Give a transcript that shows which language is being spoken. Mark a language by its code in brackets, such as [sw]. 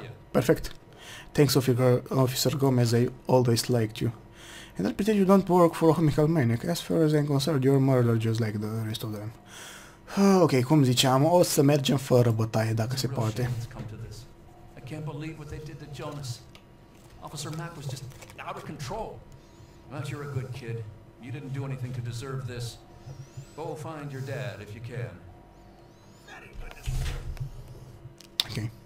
[en] Perfect. Thanks, Officer Gomez, I always liked you. And I'll pretend you don't work for Michael Manic. As far as I'm concerned, you're a murderer just like the rest of them. [ro] Ok, cum ziceam, o să mergem fără bătaie dacă se poate. [en] I can't believe what they did to Jonas. Officer Mack was just out of control. But you're a good kid. You didn't do anything to deserve this. Go find your dad if you can. Ok.